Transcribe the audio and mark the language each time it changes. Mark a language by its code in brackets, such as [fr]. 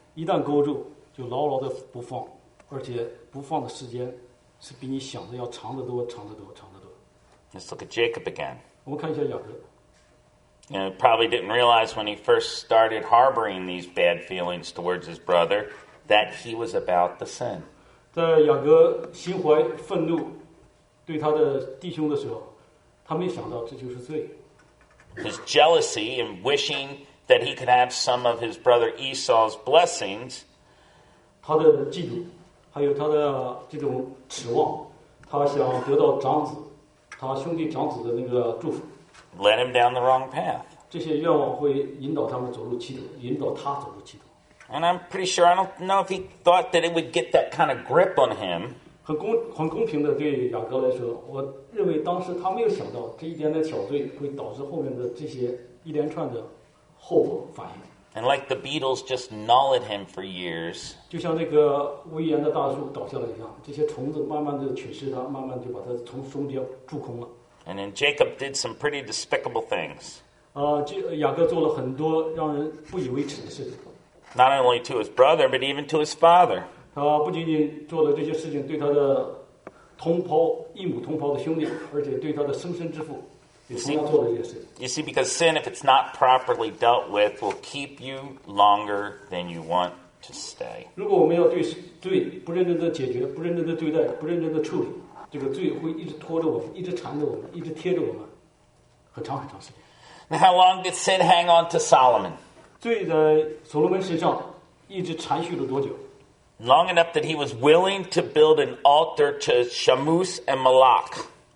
[zh] 一旦勾住，就牢牢的不放，而且不放的时间是比你想的要长得多，长得多，长得多。 [en] Let's look at Jacob again. [zh] 我们看一下雅各。 [en] You know, probably didn't realize when he first started harboring these bad feelings towards his brother that he was about to sin. [zh] 在雅各心怀愤怒对他的弟兄的时候，他没想到这就是罪。 [en] His jealousy and wishing that he could have some of his brother Esau's blessings. [zh] 他的嫉妒，还有他的这种指望，他他想得到长子，他兄弟长子的那个祝福。 [en] Led him down the wrong path. [zh] 这些愿望会引导他们走入歧途，引导他走入歧途。 [en] And I'm pretty sure I don't know if he thought that it would get that kind of grip on him. [zh] 很公平的对雅各来说，我认为当时他没有想到这一点的小罪会导致后面的这些一连串的后果反应。 [en] And like the Beatles just gnawed at him for years. [zh] 就像那个威严的大树倒下来一样，这些虫子慢慢的侵蚀他，慢慢就把他从中间蛀空了。 [en] And then Jacob did some pretty despicable things. [zh] 雅各做了很多让人不以为耻的事情。 [en] Not only to his brother, but even to his father. [zh] 他不仅仅做了这些事情，对他的同胞、异母同胞的兄弟，而且对他的生身之父。 [en] You see, because sin, if it's not properly dealt with, will keep you longer than you want to stay. [zh] 如果我们要对罪不认真的解决、不认真的对待、不认真的处理，这个罪会一直拖着我们、一直缠着我们、一直贴着我们，很长很长时间。 [en] Now, how long did sin hang on to Solomon? [zh] 罪在所罗门身上一直缠续了多久？ [en] Long enough that he was willing to build an altar to Shamus and Moloch.